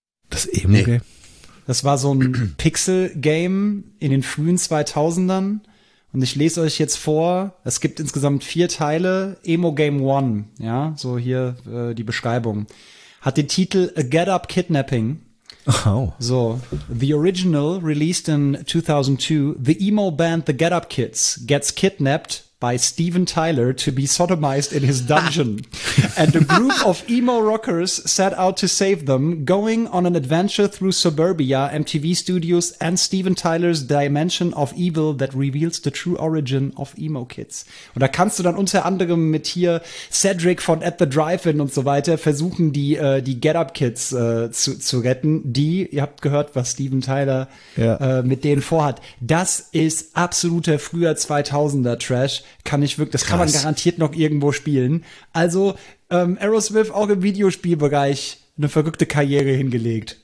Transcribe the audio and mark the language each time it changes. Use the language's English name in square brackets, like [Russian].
[German] Das Emo-Game? Nee. Das war so ein Pixel-Game in den frühen 2000ern. Und ich lese euch jetzt vor, es gibt insgesamt 4 Teile. Emo Game One, ja, so hier die Beschreibung, hat den Titel A Get Up Kidnapping. Oh. [English] So, the original released in 2002, the emo band The Get Up Kids gets kidnapped by Steven Tyler to be sodomized in his dungeon. And a group of emo rockers set out to save them, going on an adventure through suburbia, MTV Studios and Steven Tyler's dimension of evil that reveals the true origin of emo kids. [German] Und da kannst du dann unter anderem mit hier Cedric von At The Drive-In und so weiter versuchen, die Get Up Kids zu retten, die, ihr habt gehört, was Steven Tyler mit denen vorhat. Das ist absoluter früher 2000er Trash. Kann man garantiert noch irgendwo spielen. Also Aerosmith auch im Videospielbereich eine verrückte Karriere hingelegt.